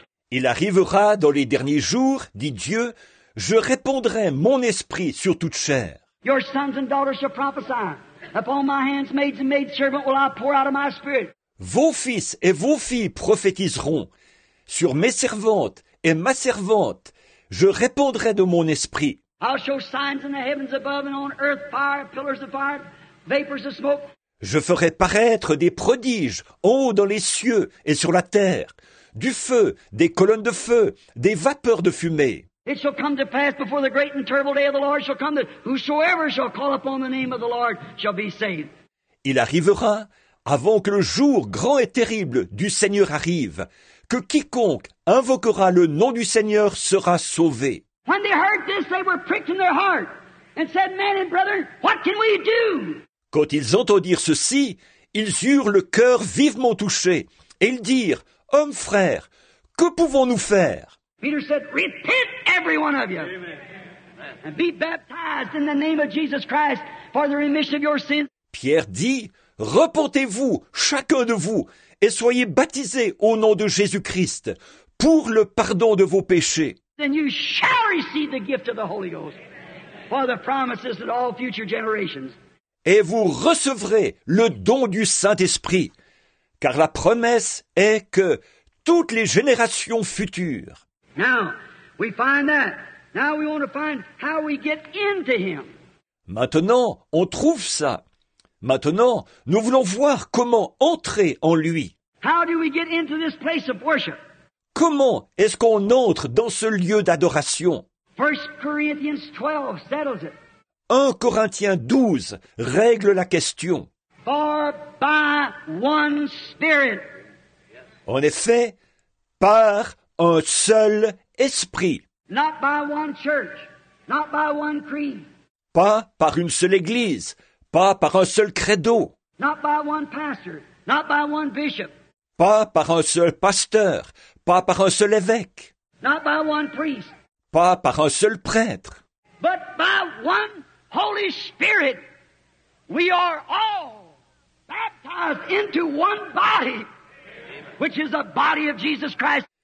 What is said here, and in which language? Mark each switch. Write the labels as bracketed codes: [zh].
[fr] Il arrivera dans les derniers jours, dit Dieu, je répandrai mon esprit sur toute chair. [en] Your sons and daughters shall prophesy. Upon my handmaids and maidservants will I pour out of my spirit. [fr] Vos fils et vos filles prophétiseront. Sur mes servantes et ma servante, je répandrai de mon esprit. [en] I'll show signs in the heavens above and on earth, fire, pillars of fire, vapors of smoke. [fr] Je ferai paraître des prodiges en haut dans les cieux et sur la terre, du feu, des colonnes de feu, des vapeurs de fumée. [en] It shall come to pass before the great and terrible day of the Lord shall come that whosoever shall call upon the name of the Lord shall be saved. [fr] Il arrivera avant que le jour grand et terrible du Seigneur arrive, que quiconque invoquera le nom du Seigneur sera sauvé. [en] When they heard this, they were pricked in their heart and said, "Men and brethren, what can we do?" [fr] Quand ils entendirent ceci, ils eurent le cœur vivement touché et ils dirent, hommes frères, que pouvons-nous faire? [en] Peter said, "Repent, every one of you, and be baptized in the name of Jesus Christ for the remission of your sins." [fr] Pierre dit, repentez-vous, chacun de vous, et soyez baptisés au nom de Jésus-Christ pour le pardon de vos péchés. [en] Then you shall receive the gift of the Holy Ghost for the promises of all future generations. [fr] Et vous recevrez le don du Saint-Esprit, car la promesse est que toutes les générations futures. [en] Now, we find that. Now we want to find how we get into him. [fr] Maintenant, on trouve ça. Maintenant, nous voulons voir comment entrer en lui. [en] How do we get into this place of worship? [fr] Comment est-ce qu'on entre dans ce lieu d'adoration? [en] 1 Corinthians 12 settles it. [fr] 1 Corinthiens 12 règle la question. [en] For by one spirit. [fr] En effet, par un seul esprit. [en] Not by one church, not by one creed. [fr] Pas par une seule église, pas par un seul credo. [en] Not by one pastor, not by one bishop. [fr] Pas par un seul pasteur, pas par un seul évêque. [en] Not by one priest. [fr] Pas par un seul prêtre. [en] But by one Holy Spirit, we are all baptized into one body, which is the body of Jesus Christ.